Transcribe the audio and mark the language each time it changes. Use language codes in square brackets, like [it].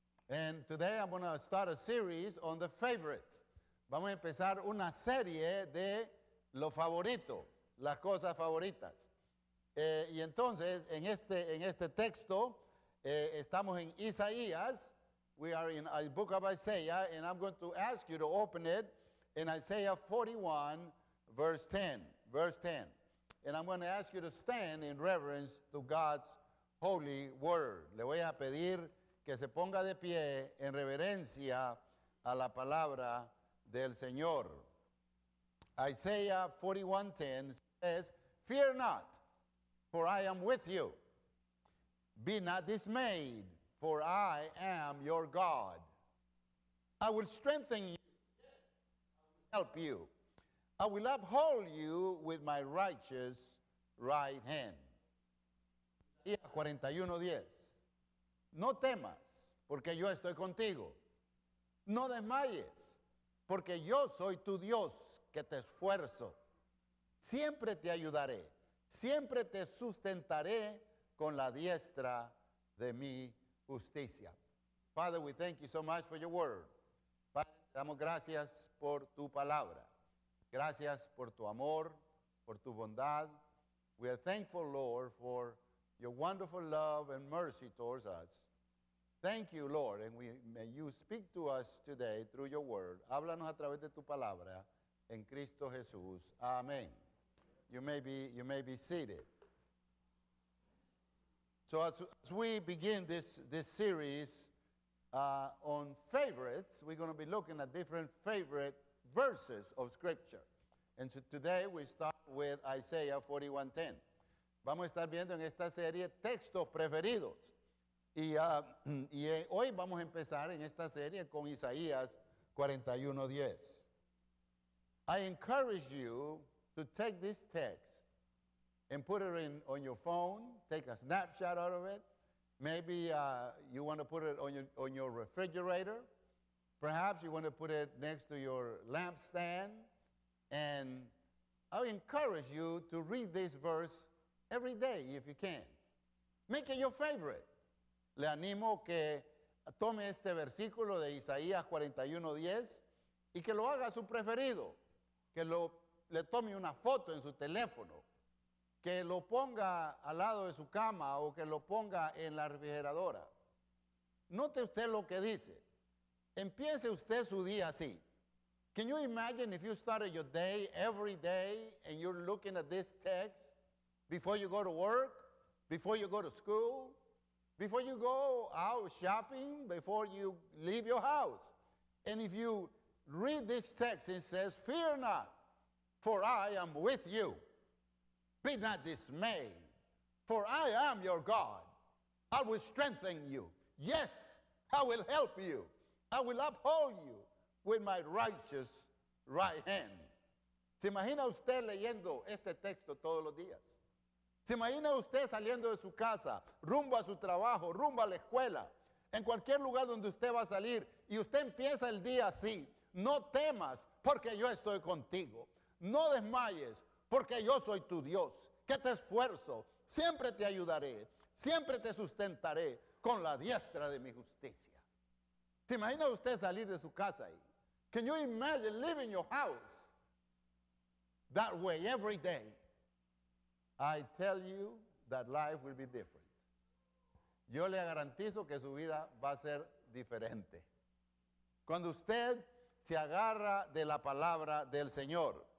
[en] And today I'm going to start a series on the favorites. [es] Vamos a empezar una serie de lo favorito, las cosas favoritas. Y entonces, en este texto, estamos en Isaías. [en] We are in the book of Isaiah, and I'm going to ask you to open it in Isaiah 41, verse 10. And I'm going to ask you to stand in reverence to God's holy word. [es] Le voy a pedir que se ponga de pie en reverencia a la palabra del Señor. [en] Isaiah 41:10 says, "Fear not, for I am with you. Be not dismayed, for I am your God. I will strengthen you, help you. I will uphold you with my righteous right hand." [es] Isaías 41:10. No temas, porque yo estoy contigo. No desmayes, porque yo soy tu Dios que te esfuerzo. Siempre te ayudaré. Siempre te sustentaré con la diestra de mi justicia. [en] Father, we thank you so much for your word. [es] Padre, te damos gracias por tu palabra. Gracias por tu amor, por tu bondad. [en] We are thankful, Lord, for your wonderful love and mercy towards us. Thank you, Lord, and may you speak to us today through your word. [es] Háblanos a través de tu palabra en Cristo Jesús. [en] Amén. You may be seated. So as we begin this series on favorites, we're going to be looking at different favorite verses of Scripture. And so today we start with Isaiah 41:10. [es] Vamos a estar viendo en esta serie textos preferidos. Y hoy vamos a empezar en esta serie con Isaías 41:10. [en] I encourage you to take this text and put it on your phone, take a snapshot out of it. Maybe you want to put it on your refrigerator. Perhaps you want to put it next to your lampstand. And I encourage you to read this verse every day if you can. Make it your favorite. [es] Le animo que tome este versículo de Isaías 41:10 y que lo haga su preferido. Que lo, le tome una foto en su teléfono, que lo ponga al lado de su cama o que lo ponga en la refrigeradora. Note usted lo que dice. Empiece usted su día así. [en] Can you imagine if you started your day every day and you're looking at this text before you go to work, before you go to school, before you go out shopping, before you leave your house? And if you read this text, it says, "Fear not, for I am with you. Be not dismayed, for I am your God. I will strengthen you. Yes, I will help you. I will uphold you with my righteous right hand." [es] ¿Se imagina usted leyendo este texto todos los días? ¿Se imagina usted saliendo de su casa, rumbo a su trabajo, rumbo a la escuela, en cualquier lugar donde usted va a salir, y usted empieza el día así? No temas, porque yo estoy contigo. No desmayes, porque yo soy tu Dios, que te esfuerzo, siempre te ayudaré, siempre te sustentaré con la diestra de mi justicia. ¿Se imagina usted salir de su casa ahí? [en] Can you imagine leaving your house that way every day? I tell you that life will be different. [es] Yo le garantizo que su vida va a ser diferente. Cuando usted se agarra de la palabra del Señor.